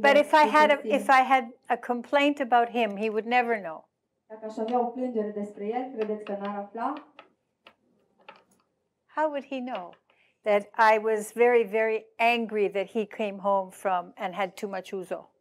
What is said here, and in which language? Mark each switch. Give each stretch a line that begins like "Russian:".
English: But if I had a complaint about him, he would never know.
Romanian: Dacă aș avea o plângere despre el, credeți că n-ar afla?
English: How would he know that I was very, very angry that he came home from and had too much ouzo?